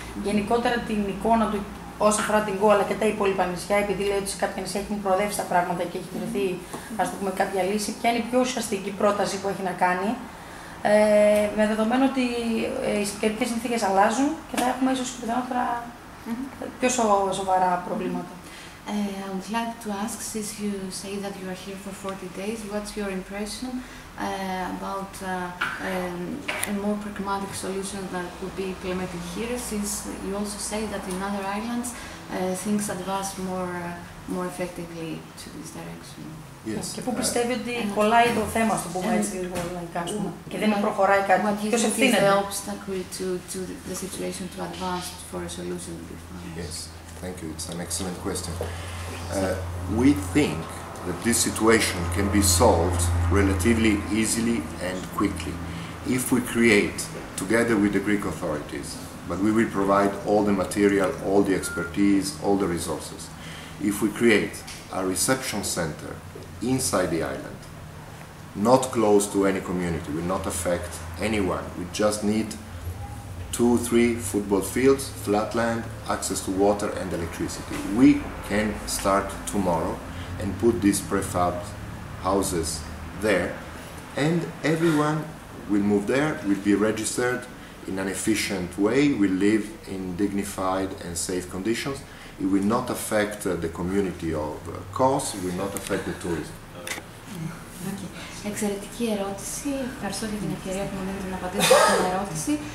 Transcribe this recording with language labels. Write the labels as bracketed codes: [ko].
[el] Γενικότερα την εικόνα του όσον αφορά την ΚΟ αλλά και τα υπόλοιπα νησιά, επειδή λέει ότι σε κάποια νησιά έχουν προοδεύσει τα πράγματα και έχει βρεθεί, ας το πούμε, κάποια λύση. Ποια είναι η πιο ουσιαστική πρόταση που έχει να κάνει, με δεδομένο ότι οι καιρικές συνθήκες αλλάζουν και θα έχουμε ίσως πιθανότερα πιο σοβαρά προβλήματα. [en] I would like to ask, since you say that you are here for 40 days, what's your impression about a more pragmatic solution that could be implemented here, since you also say that in other islands things advance more effectively to this direction? Yes. [el] Και πού πιστεύει ότι κολλάει το θέμα, στο πούμε έτσι, και δεν προχωράει κάτι. Ποιος ευθύνεται. [en] What is the obstacle to the situation to advance for a solution to be found? Yes. Thank you, it's an excellent question. We think that this situation can be solved relatively easily and quickly if we create, together with the Greek authorities, but we will provide all the material, all the expertise, all the resources, if we create a reception center inside the island, not close to any community, will not affect anyone, we just need 2-3 football fields, flat land, access to water and electricity. We can start tomorrow and put these prefab houses there, and everyone will move there, will be registered in an efficient way, will live in dignified and safe conditions. It will not affect the community of Kos, will not affect the tourism. [el] Εξαιρετική ερώτηση. Ευχαριστώ για την ευκαιρία που μου δίνετε να απαντήσω στην ερώτηση.